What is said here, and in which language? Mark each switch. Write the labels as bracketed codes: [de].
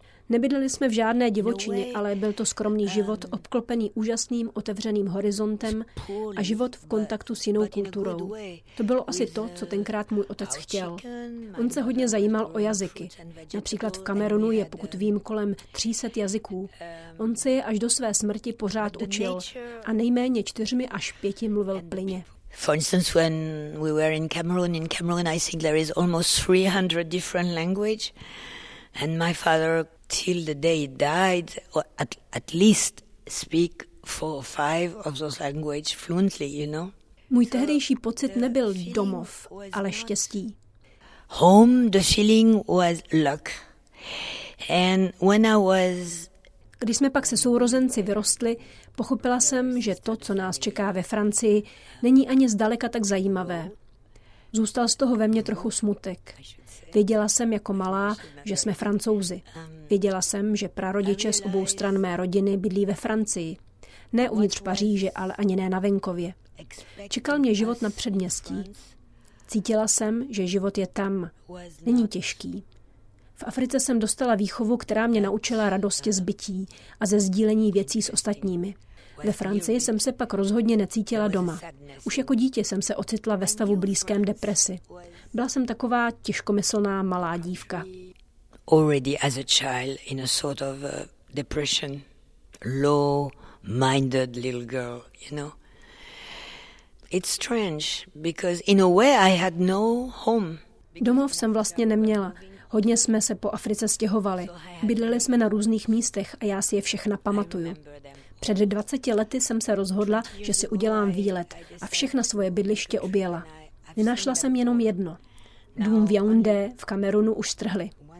[cs] Nebydleli jsme v žádné divočině, ale byl to skromný život, obklopený úžasným otevřeným horizontem a život v kontaktu s jinou kulturou. To bylo asi to, co tenkrát můj otec chtěl. On se hodně zajímal o jazyky. Například v Kamerunu je, pokud vím, kolem 300 jazyků. On se je až do své smrti pořád učil a nejméně 4 až 5 mluvil plynně. [en] For instance, when we were in Cameroon, I think there is almost 300 different languages, and my father, till the day he died, at least speak 4 or 5 of those languages fluently, you know? [cs] Můj tehdejší pocit nebyl domov, ale štěstí. [en] Home, the feeling was luck. And when I was... [cs] Když jsme pak se sourozenci vyrostli, pochopila jsem, že to, co nás čeká ve Francii, není ani zdaleka tak zajímavé. Zůstal z toho ve mně trochu smutek. Věděla jsem jako malá, že jsme Francouzi. Věděla jsem, že prarodiče z obou stran mé rodiny bydlí ve Francii. Ne uvnitř Paříže, ale ani ne na venkově. Čekal mě život na předměstí. Cítila jsem, že život je tam. Není těžký. V Africe jsem dostala výchovu, která mě naučila radosti z bytí a ze sdílení věcí s ostatními. Ve Francii jsem se pak rozhodně necítila doma. Už jako dítě jsem se ocitla ve stavu blízkém depresi. Byla jsem taková těžkomyslná malá dívka. [en] Already as a child in a sort of depression, low-minded little girl, you know. It's strange because in a way I had no home. [cs] Domov jsem vlastně neměla. Hodně jsme se po Africe stěhovali. Bydleli jsme na různých místech a já si je všechna pamatuju. Před 20 lety jsem se rozhodla, že si udělám výlet a všechna svoje bydliště objela. Nenašla jsem jenom jedno. Dům v Yaoundé v Kamerunu už strhli.